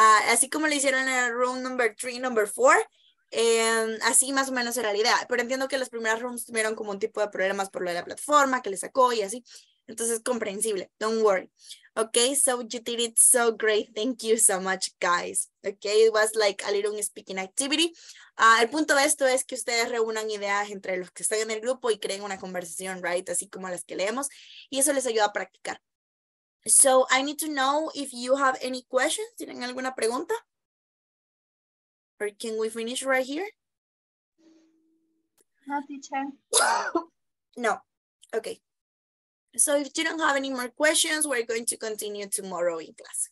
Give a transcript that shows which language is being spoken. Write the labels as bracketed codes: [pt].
[es] Así como lo hicieron en el room number 3, number 4. Así más o menos era la idea, pero entiendo que las primeras rooms tuvieron como un tipo de problemas por lo de la plataforma que le sacó y así, entonces es comprensible, [en] don't worry. Okay, so you did it so great, thank you so much guys. Okay, it was like a little speaking activity. [es] El punto de esto es que ustedes reúnan ideas entre los que están en el grupo y creen una conversación, right, así como las que leemos, y eso les ayuda a practicar. [en] So I need to know if you have any questions. [es] ¿Tienen alguna pregunta? [en] Or can we finish right here? No, teacher. No. Okay. So if you don't have any more questions, we're going to continue tomorrow in class.